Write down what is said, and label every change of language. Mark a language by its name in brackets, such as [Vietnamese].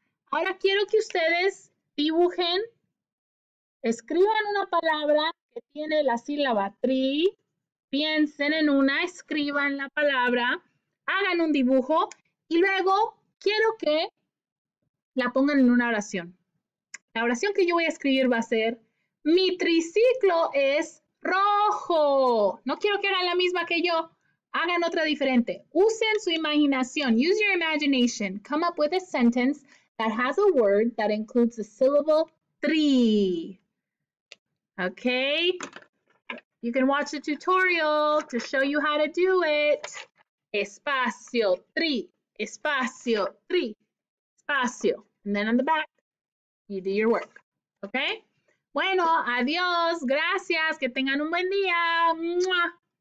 [Spanish] Ahora quiero que ustedes dibujen, escriban una palabra que tiene la sílaba tri, piensen en una, escriban la palabra, hagan un dibujo. Y luego quiero que la pongan en una oración. La oración que yo voy a escribir va a ser: mi triciclo es rojo. No quiero que hagan la misma que yo. Hagan otra diferente. Usen su imaginación. [English] Use your imagination. Come up with a sentence that has a word that includes the syllable tri. Ok. You can watch the tutorial to show you how to do it. [Spanish] Espacio, tri. Espacio, tri, espacio. [English] And then on the back, you do your work. [Spanish] ¿Ok? Bueno, adiós. Gracias. Que tengan un buen día. ¡Mua!